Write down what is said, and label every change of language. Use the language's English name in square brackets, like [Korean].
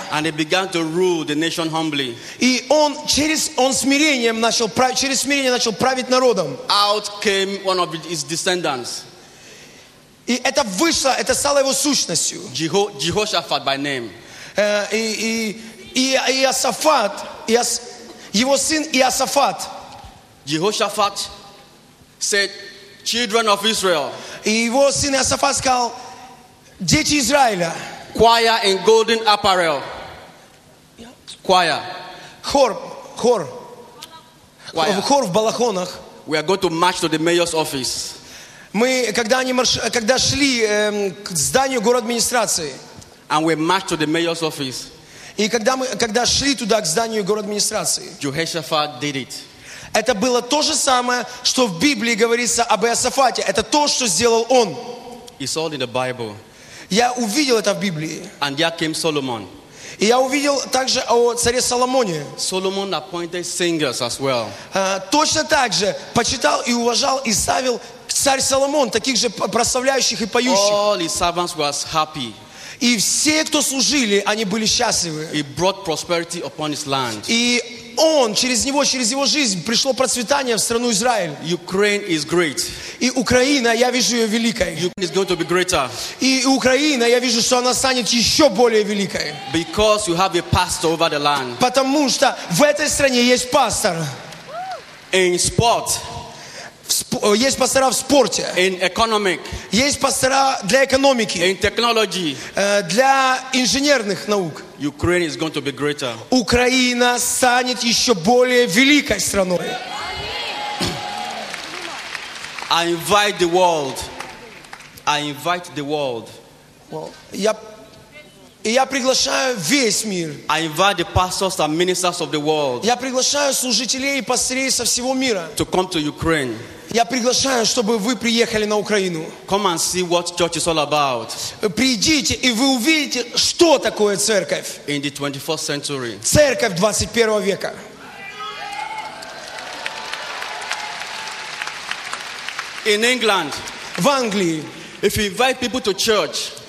[English] And he began to rule the nation humbly. [Russian] И он через смирение начал править народом. [English] Out came one of his descendants. [Russian] И это вышло, это стало его сущностью. [English] Jehoshaphat by name. [Russian] И Иосафат, его сын Иосафат. [English] Иосафат said, "Children of Israel." [Russian] И его сын Иосафат сказал, дети Израиля. [English] Choir in golden apparel. Choir. [Russian] Хор. Хор в балахонах. [English] We are going to march to the mayor's office. [Russian] Мы, когда шли к зданию город администрации. [English] And we marched to the mayor's office. [Russian] И когда шли туда, к зданию город администрации. [English] Jehoshaphat did it. [Russian] Это было то же самое, что в Библии говорится об Иосафате. Это то, что сделал он. [English] It's all in the Bible. [Russian] Я увидел это в Библии. [English] And there came Solomon. [Russian] И я увидел также о царе Соломоне. [English] Solomon appointed singers as well. [Russian] Точно так же почитал и уважал и ставил царь Соломон таких же прославляющих и поющих. [English] All his servants was happy. [Russian] И все, кто служили, они были счастливы. [English] He brought prosperity upon his land. [Russian] И он, через него, через его жизнь пришло процветание в страну Израиль. [English] Ukraine is great. [Russian] И Украина, я вижу ее великой. [English] Ukraine is going to be greater. [Russian] И Украина, я вижу, что она станет еще более великой. [English] Because you have a pastor over the land. [Russian] Потому что в этой стране есть пастор. [English] In sport. [Russian] Есть пастора в спорте. [English] In economic. [Russian] Есть пастора для экономики. [English] In technology. [Russian] Для инженерных наук. [English] Ukraine is going to be greater. [Russian] Украина станет еще более великой страной. [English] I invite the world. [Russian] Я приглашаю весь мир. [English] I invite the pastors and ministers of the world. [Russian] Я приглашаю служителей и пастырей со всего мира. [English] To come to Ukraine. [Russian] Я приглашаю, чтобы вы приехали на Украину. [English] Come and see what church is all about. [Russian] Придите, и вы увидите, что такое церковь. [English] In the 21st century. [Russian] Церковь 21 века. [English] In England. [Russian] В Англии. [English] If you invite people to church.